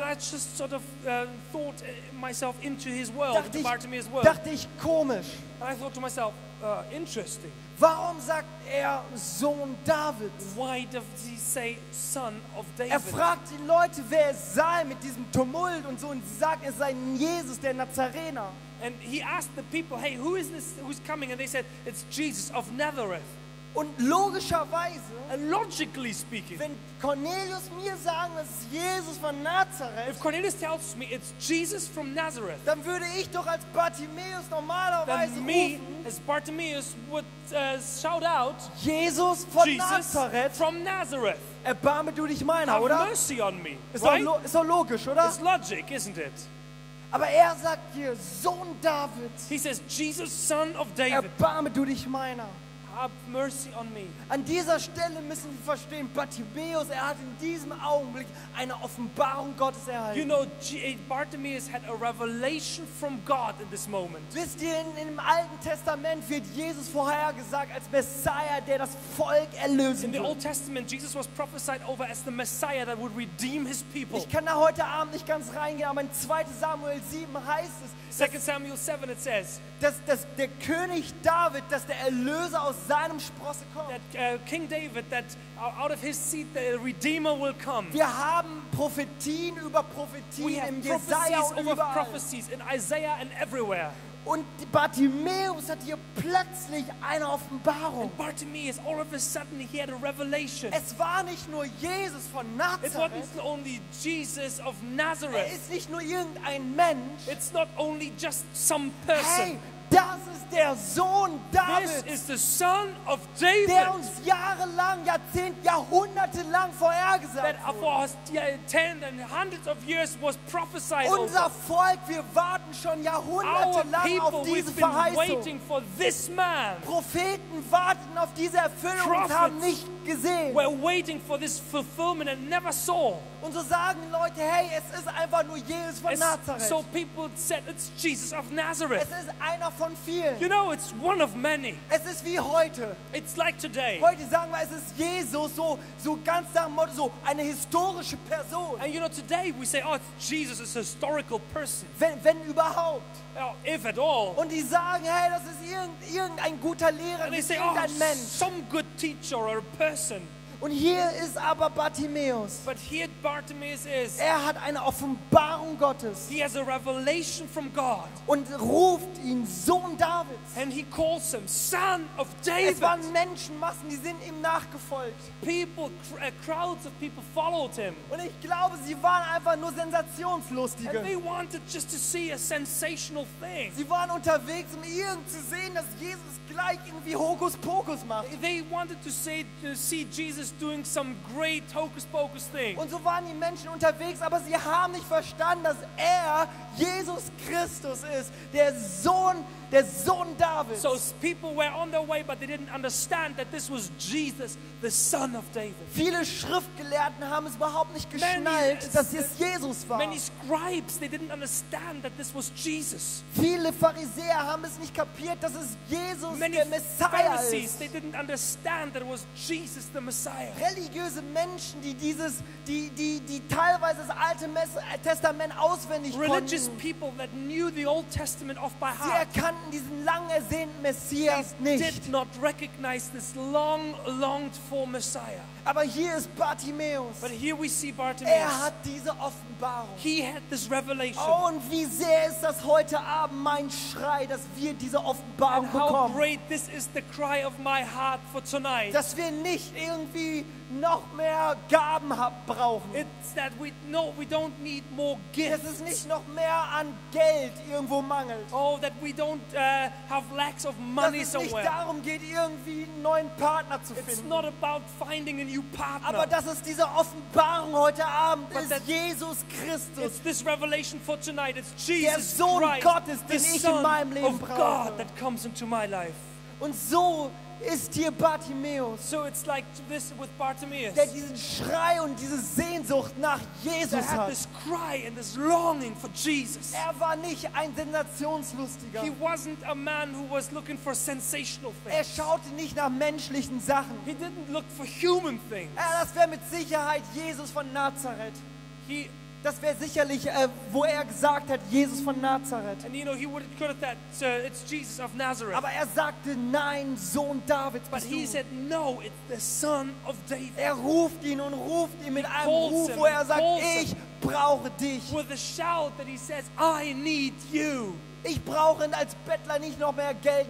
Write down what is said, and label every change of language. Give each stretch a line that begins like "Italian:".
English: And I just sort of thought myself into his world, into Bartimäus' world.
German: Dachte ich komisch.
English: And I thought to myself, interesting.
German: Warum sagt er Sohn David?
English: Why does he say Son of David?
German: Er fragt die Leute, wer es sei mit diesem Tumult und so, und sie sagt, es sei Jesus der Nazarener.
English: And he asked the people, hey, who is this who's coming? And they said, it's Jesus of Nazareth.
German: Und logischerweise,
English: and logically speaking,
German: wenn Cornelius mir sagen, es ist Jesus von Nazareth,
English: if Cornelius tells me it's Jesus from Nazareth,
German: dann würde ich doch als Bartimäus normalerweise
English: then
German: rufen,
English: as Bartimäus would shout out,
German: Jesus von
English: Jesus
German: Nazareth,
English: from Nazareth,
German: erbarme du dich meiner, oder?
English: Have mercy on me.
German: Ist doch
English: right?
German: Logisch, oder?
English: It's logic, isn't it?
German: Aber er sagt dir, Sohn David.
English: He says, Jesus, Son of David.
German: Erbarme du dich meiner.
English: Have mercy on me.
German: An dieser Stelle müssen wir verstehen, Bartimäus, er hat in diesem Augenblick eine Offenbarung Gottes erhalten.
English: You know, Bartimäus had a revelation from God in this moment.
German: Wisst ihr, in dem Alten Testament wird Jesus vorhergesagt als Messiah, der das Volk erlösen wird.
English: In the Old Testament, Jesus was prophesied over as the Messiah that would redeem his people.
German: Ich kann da heute Abend nicht ganz reingehen, aber in 2. Samuel 7 heißt es,
English: 2 Samuel 7, it says,
German: dass der König David, dass der Erlöser aus seinem Sprosse kommt.
English: That King David, that out of his seed the Redeemer will come.
German: Wir haben Prophetien über Prophetien im Jesaja und überall.
English: Prophecies in Isaiah and everywhere.
German: Und Bartimäus hat hier plötzlich eine Offenbarung.
English: And Bartimaeus, all of a sudden, he had a revelation.
German: Es war nicht nur Jesus von Nazareth.
English: It wasn't only Jesus of Nazareth.
German: Er ist nicht nur irgendein Mensch.
English: It's not only just some person.
German: Hey, das ist der Sohn Davids.
English: This is the Son of David.
German: Der uns jahrelang, Jahrzehnt, jahrhundertelang vorhergesagt wurde.
English: That for us, ten and hundreds of years was prophesied.
German: Unser Volk, wir warten schon jahrhundertelang auf diese Verheißung.
English: Waiting for this man.
German: Propheten warten auf diese Erfüllung und haben nicht gesehen.
English: We're waiting for this fulfillment and never saw.
German: Und so sagen Leute, hey, es ist einfach nur Jesus von Nazareth.
English: So people said it's Jesus of Nazareth.
German: Es ist einer von vielen.
English: You know, it's one of many.
German: Es ist wie heute.
English: It's like today.
German: Heute sagen wir, es ist Jesus, so ganz nach dem Motto, so eine historische Person.
English: And you know, today we say, oh, Jesus is a historical person.
German: Wenn überhaupt.
English: If at all.
German: Und die sagen, hey, das ist irgendein guter Lehrer,
English: and they say, oh,
German: Mensch.
English: Some good teacher or a person.
German: Und hier ist aber Bartimäus.
English: But here Bartimäus is.
German: Er hat eine Offenbarung Gottes.
English: He has a revelation from God.
German: Und ruft ihn Sohn Davids.
English: And he calls him Son of David.
German: Es waren Menschenmassen, die sind ihm nachgefolgt.
English: People, crowds of people followed him.
German: Und ich glaube, sie waren einfach nur sensationslustige.
English: And they wanted just to see a sensational thing.
German: Sie waren unterwegs, um irgend zu sehen, dass Jesus gleich irgendwie Hokus Pokus macht.
English: They wanted to see Jesus doing some great hocus-pocus thing.
German: Und so waren die Menschen unterwegs, aber sie haben nicht verstanden, dass er Jesus Christus ist, der Sohn Davids.
English: So people were on their way, but they didn't understand that this was Jesus, the Son of David.
German: Viele Schriftgelehrten haben es überhaupt nicht geschnallt, dass es Jesus war.
English: Many scribes, they didn't understand that this was Jesus.
German: Viele Pharisäer haben es nicht kapiert, dass es Jesus,
English: many
German: der Messiah
English: Pharisees,
German: ist.
English: They didn't understand that it was Jesus, the Messiah. Israel.
German: Religiöse Menschen, die dieses, die teilweise das Alte Testament auswendig konnten.
English: Religious people that knew the Old Testament off by heart.
German: Sie erkannten diesen lang ersehnten Messias nicht.
English: They did not recognize this long longed for Messiah.
German: Aber hier ist Bartimäus.
English: But here we see Bartimäus.
German: Er hat diese Offenbarung.
English: He had this revelation.
German: Oh, und wie sehr ist das heute Abend mein Schrei, dass wir diese Offenbarung
English: and how
German: bekommen.
English: How great this is the cry of my heart for tonight.
German: Dass wir nicht irgendwie noch mehr Gaben brauchen.
English: It's that we don't need more gifts.
German: Dass es nicht noch mehr an Geld irgendwo mangelt.
English: Oh, that we don't have lacks of money somewhere.
German: Dass es nicht darum geht, irgendwie einen neuen Partner zu finden.
English: It's not about finding a new partner.
German: Aber das ist diese Offenbarung heute Abend. But ist Jesus Christus.
English: It's this revelation for tonight. It's Jesus
German: Christ. Der Sohn
English: Christ,
German: Gottes, den ich
English: Son
German: in meinem Leben
English: of
German: brauche.
English: God that comes into my life.
German: Und so ist hier Bartimäus,
English: so it's like this with Bartimäus,
German: der diesen Schrei und diese Sehnsucht nach Jesus hat.
English: This cry and this longing for Jesus.
German: Er war nicht ein Sensationslustiger.
English: He wasn't a man who was looking for sensational things.
German: Er schaute nicht nach menschlichen Sachen.
English: He didn't look for human things.
German: Ja, das wäre mit Sicherheit Jesus von Nazareth.
English: He
German: das wäre sicherlich, wo er gesagt hat, Jesus von Nazareth.
English: And you know, he would have called that, it's Jesus of Nazareth.
German: Aber er sagte, nein, Sohn Davids.
English: But he said, no, it's the Son of David.
German: Er ruft ihn und ruft ihn mit einem Ruf, wo er sagt, ich brauche dich.
English: With a shout that he says, I need you.
German: Ich brauche als Bettler nicht noch mehr Geld.